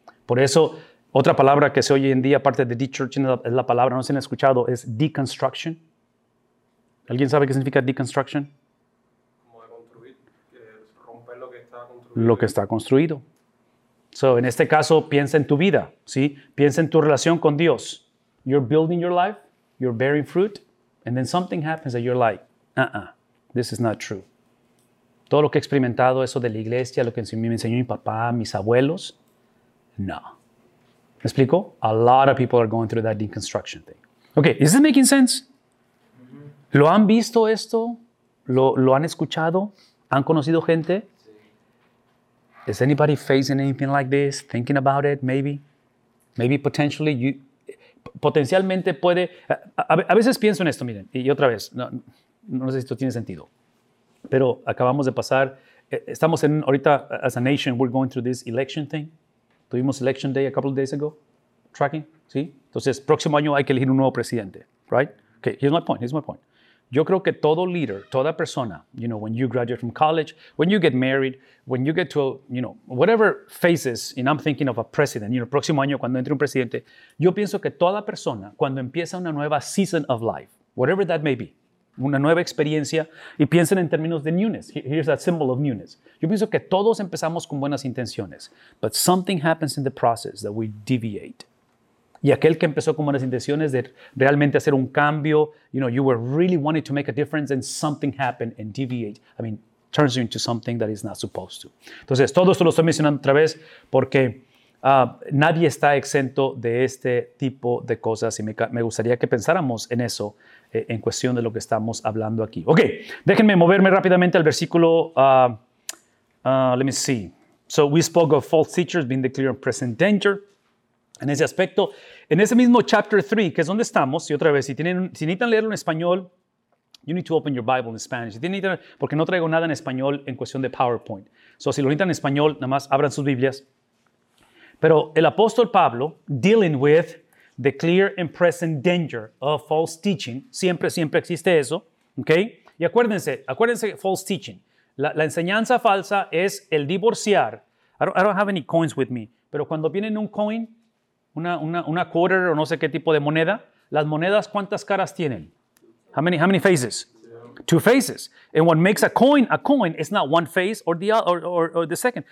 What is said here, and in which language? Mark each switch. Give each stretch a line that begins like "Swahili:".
Spanish: Por eso, otra palabra que se oye en día, aparte de de-churching, es la palabra, no se han escuchado, es deconstruction. ¿Alguien sabe qué significa deconstruction? Como de construir, romper lo que está construido. So, en este caso, piensa en tu vida, ¿sí? Piensa en tu relación con Dios.
English: You're building your life, you're bearing fruit, and then something happens that you're like, this is not true.
Spanish: Todo lo que he experimentado, eso de la iglesia, lo que me enseñó mi papá, mis abuelos, no. ¿Me explico?
English: A lot of people are going through that deconstruction thing. Okay, is this making sense?
Spanish: ¿Lo han visto esto? ¿Lo han escuchado? ¿Han conocido gente?
English: Is anybody facing anything like this? Thinking about it, maybe? Maybe potentially you...
Spanish: Potencialmente puede... A veces pienso en esto, miren. Y otra vez, no sé si esto tiene sentido. Pero acabamos de pasar... Estamos en... Ahorita,
English: as a nation, we're going through this election thing.
Spanish: Tuvimos
English: election day a couple of days ago. Tracking, ¿sí?
Spanish: Entonces, próximo año hay que elegir un nuevo presidente.
English: Right? Okay, here's my point.
Spanish: Yo creo que todo líder, toda persona,
English: you know, when you graduate from college, when you get married, when you get to, whatever phases, and I'm thinking of a president, you know,
Spanish: próximo año cuando entre un presidente, yo pienso que toda persona, cuando empieza una nueva
English: season of life, whatever that may be,
Spanish: una nueva experiencia, y piensen en términos de
English: newness, here's that symbol of newness.
Spanish: Yo pienso que todos empezamos con buenas intenciones,
English: but something happens in the process that we deviate.
Spanish: Y aquel que empezó con buenas intenciones de realmente hacer un cambio,
English: you were really wanting to make a difference and something happened and deviate. I mean, turns you into something that is not supposed to.
Spanish: Entonces, todo esto lo estoy mencionando otra vez porque nadie está exento de este tipo de cosas y me gustaría que pensáramos en eso en cuestión de lo que estamos hablando aquí. Ok, déjenme moverme rápidamente al versículo,
English: let me see. So, we spoke of false teachers being the clear and present danger.
Spanish: En ese aspecto, en ese mismo chapter 3, que es donde estamos, y otra vez, si necesitan leerlo en español,
English: you need to open your Bible in Spanish.
Spanish: Porque no traigo nada en español en cuestión de PowerPoint. So, si lo necesitan en español, nada más abran sus Biblias. Pero el apóstol Pablo,
English: dealing with the clear and present danger of false teaching,
Spanish: siempre existe eso, ¿ok? Y acuérdense false teaching. La enseñanza falsa es el divorciar.
English: I don't have any coins with me,
Spanish: pero cuando vienen un
English: coin...
Spanish: Una quarter o no sé qué tipo de moneda. Las monedas, ¿cuántas caras tienen?
English: How many faces? Yeah. Two faces. And what makes a coin is not one face or the second.